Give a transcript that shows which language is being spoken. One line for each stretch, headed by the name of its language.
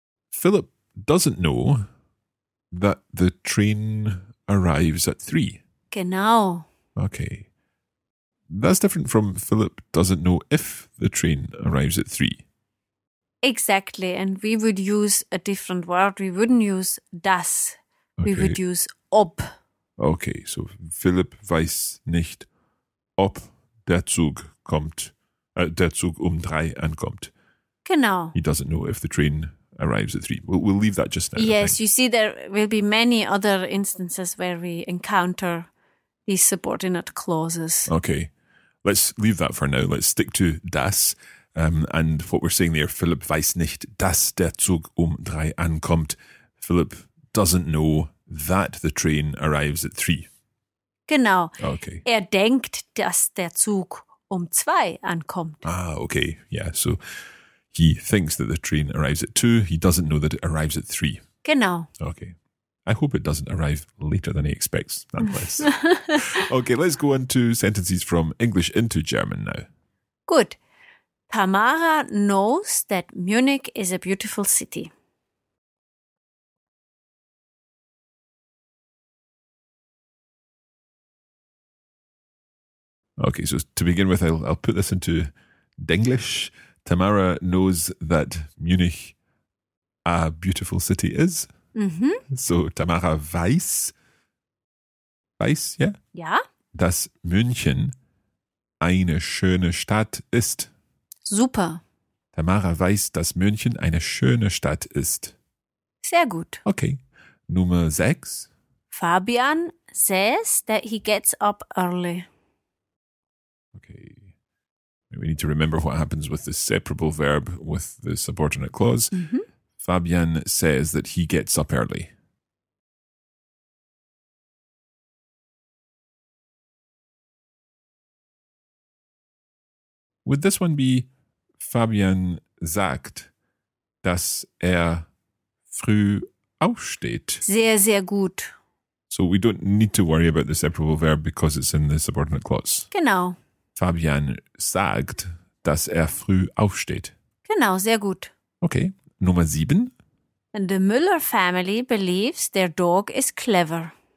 English: Philipp doesn't know that the train arrives at three.
German: Genau.
English: Okay. That's different from Philip doesn't know if the train arrives at three. Exactly. And we would use a different word. We wouldn't use das. Okay. We would use ob. Okay, so
German: Philipp weiß nicht, ob der Zug kommt, der Zug drei ankommt. Genau.
English: He doesn't know if the train arrives at 3. We'll leave that just now. Yes, you see, there will be many other instances where we encounter these subordinate clauses. Okay, let's leave that for now. Let's stick to das. And what we're saying there,
German: Philipp weiß nicht, dass der Zug drei ankommt.
English: Philipp doesn't know that the train arrives at 3.
German: Genau.
English: Okay.
German: Denkt, dass der Zug zwei ankommt.
English: Ah, okay. Yeah, so he thinks that the train arrives at 2. He doesn't know that it arrives at 3.
German: Genau.
English: Okay. I hope it doesn't arrive later than he expects, nonetheless. Okay, let's go on to sentences from English into German now. Good. Tamara knows that Munich is a beautiful city. Okay, so to begin with, I'll put this into Denglish. Tamara knows that Munich a beautiful city is. Mm-hmm. So
German: Tamara weiß,
English: yeah?
German: Ja. Dass München eine schöne Stadt ist. Super. Tamara weiß, dass München eine schöne Stadt ist. Sehr gut. Okay. Nummer 6.
English: Fabian says that he gets up early. Okay, we need to remember what happens with the separable verb with the subordinate clause. Mm-hmm. Fabian says that he gets up early. Would this one be
German: Fabian sagt, dass früh aufsteht? Sehr, sehr gut.
English: So we don't need to worry about the separable verb because it's in the subordinate clause.
German: Genau. Fabian sagt, dass früh aufsteht. Genau, sehr gut. Okay, Nummer 7.
English: And the Müller family believes their dog is clever.